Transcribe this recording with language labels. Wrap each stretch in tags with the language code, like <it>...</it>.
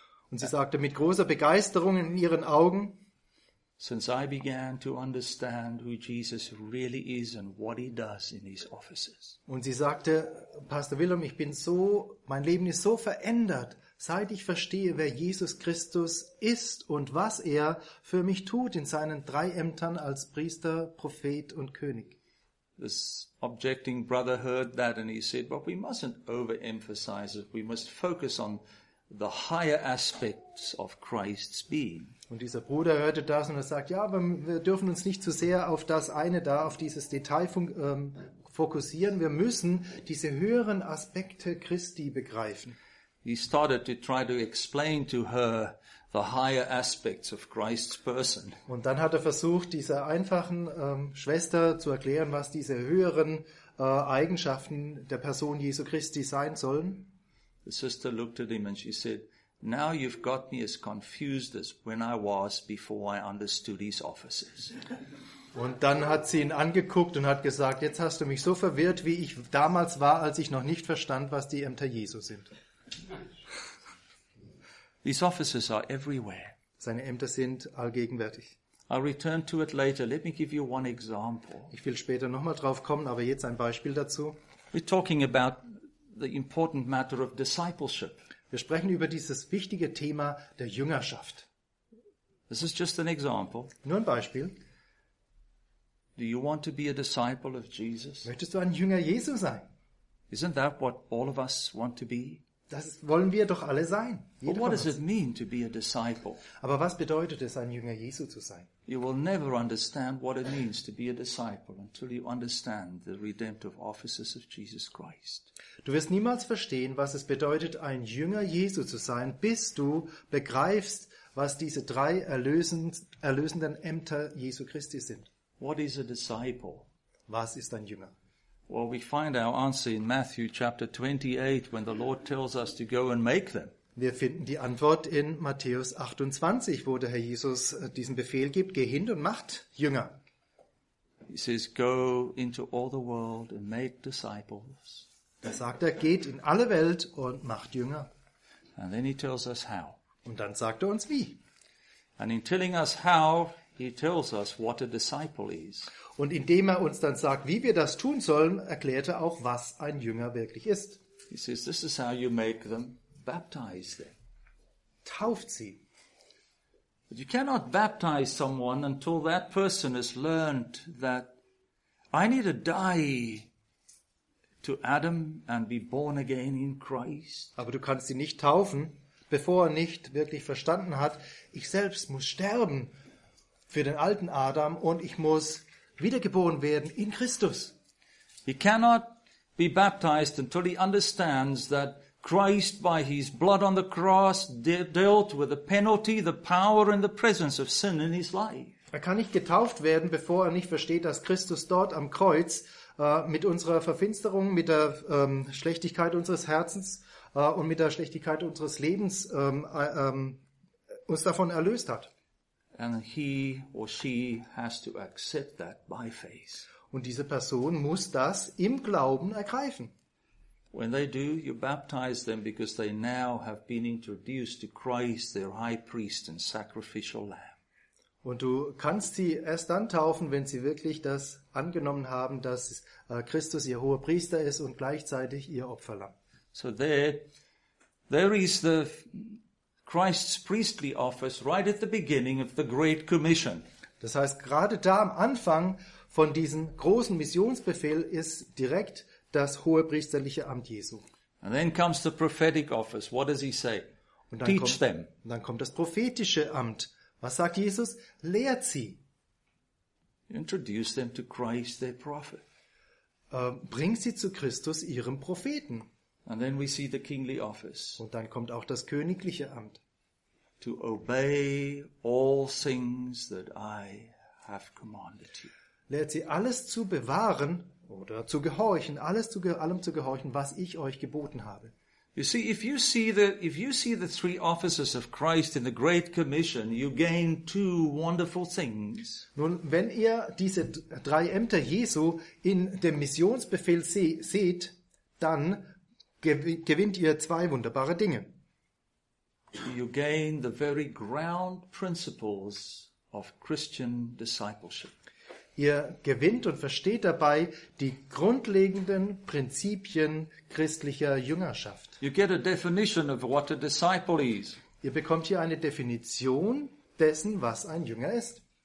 <de>Und sie sagte mit großer Begeisterung in ihren Augen,</de> <en>since I began to understand who Jesus really is and what he does in his offices.</en> <de>Und sie sagte, Pastor Willem, mein Leben ist so verändert, seit ich verstehe, wer Jesus Christus ist und was er für mich tut in seinen drei Ämtern als Priester, Prophet und König.</de> <en>This objecting brother heard that and he said, but we mustn't overemphasize it. We must focus on the higher aspects of Christ's being.</en> <de>Und dieser Bruder hörte das und er sagt, ja, wir dürfen uns nicht zu sehr auf das eine da, auf dieses Detail fokussieren. Wir müssen diese höheren Aspekte Christi begreifen.</de> <en>He started to try to explain to her the higher aspects of Christ's person.</en> <de>Und dann hat er versucht, dieser einfachen Schwester zu erklären, was diese höheren Eigenschaften der Person Jesu Christi sein sollen.</de> <en>The sister looked at him and she said, now you've got me as confused as when I was before I understood his offices.</en> <de>Und dann hat sie ihn angeguckt und hat gesagt, jetzt hast du mich so verwirrt, wie ich damals war, als ich noch nicht verstand, was die Ämter Jesu sind.</de> <en>These offices are everywhere.</en> <de>Seine Ämter sind allgegenwärtig.</de> <en>I'll return to it later. Let me give you one example.</en> <de>Ich will später nochmal drauf kommen, aber jetzt ein Beispiel dazu.</de> <en>We're talking about the important matter of discipleship.</en> <de>Wir sprechen über dieses wichtige Thema der Jüngerschaft.</de> <en>This is just an example.</en> <de>Nur ein Beispiel.</de> <en>Do you want to be a disciple of Jesus?</en> <de>Möchtest du ein Jünger Jesu sein?</de> <en>Isn't that what all of us want to be?</en> <de>Das wollen wir doch alle sein.</de> <en>But what does it mean to be a disciple?</en> <de>Aber was bedeutet es, ein Jünger Jesu zu sein?</de> <en>You will never understand what it means to be a disciple until you understand the redemptive offices of Jesus Christ.</en> <de>Du wirst niemals verstehen, was es bedeutet, ein Jünger Jesu zu sein, bis du begreifst, was diese drei erlösenden Ämter Jesu Christi sind.</de> <en>What is a disciple?</en> <de>Was ist ein Jünger?</de> <en>Well, we find our answer in Matthew chapter 28, when the Lord tells us to go and make them.</en> <de>Wir finden die Antwort in Matthäus 28, wo der Herr Jesus diesen Befehl gibt, geh hin und macht Jünger.</de> <en>He says, go into all the world and make disciples.</en> <de>Da sagt er, geht in alle Welt und macht Jünger.</de> <en>And then he tells us how.</en> <de>Und dann sagt er uns wie.</de> <en>And in telling us how, he tells us what a disciple is.</en> <de>Und indem er uns dann sagt, wie wir das tun sollen, erklärt er auch, was ein Jünger wirklich ist.</de> <en>He says, this is how you make them, baptize them.</en> <de>Tauft sie.</de> <en>But you cannot baptize someone until that person has learned that I need to die to Adam and be born again in Christ.</en> <de>Aber du kannst sie nicht taufen, bevor er nicht wirklich verstanden hat, ich selbst muss sterben für den alten Adam und ich muss wiedergeboren werden in Christus.</de> <en>He cannot be baptized until he understands that Christ by his blood on the cross dealt with the penalty, the power and the presence of sin in his life.</en> <de>Er kann nicht getauft werden, bevor er nicht versteht, dass Christus dort am Kreuz mit unserer Verfinsterung, mit der Schlechtigkeit unseres Herzens und mit der Schlechtigkeit unseres Lebens uns davon erlöst hat.</de> <en>And he or she has to accept that by faith.</en> <de>Und diese Person muss das im Glauben ergreifen.</de> <en>When they do, you baptize them because they now have been introduced to Christ, their high priest and sacrificial lamb.</en> <de>Und du kannst sie erst dann taufen, wenn sie wirklich das angenommen haben, dass Christus ihr hoher Priester ist und gleichzeitig ihr Opferlamm.</de> <en>So there is the Christ's priestly office right at the beginning of the Great Commission.</en> <de>Das heißt, gerade da am Anfang von diesem großen Missionsbefehl ist direkt das hohe priesterliche Amt Jesu.</de> <en>And then comes the prophetic office. What does he say? Teach them.</en> <de>Und dann kommt das prophetische Amt. Was sagt Jesus? Lehrt sie.</de> <en>Introduce them to Christ, their prophet.</en> <de>Bring sie zu Christus, ihrem Propheten.</de> <en>And then we see the kingly office.</en> <de>Und dann kommt auch das königliche Amt.</de> <en>to obey all things that I have commanded you.</en> <de>Lehrt sie alles zu bewahren oder zu gehorchen, allem zu gehorchen, was ich euch geboten habe.</de> <en>You see, if you see the three offices of Christ in the Great Commission, you gain two wonderful things.</en> <de>Nun, wenn ihr diese drei Ämter Jesu in dem Missionsbefehl seht, dann gewinnt ihr zwei wunderbare Dinge.</de> <en>You gain the very ground principles of Christian discipleship.</en> <de>Ihr gewinnt und versteht dabei die grundlegenden Prinzipien christlicher Jüngerschaft.</de> <en>You get a definition of what a disciple is.</en> <de>Ihr bekommt hier eine Definition dessen, was ein Jünger ist.</de>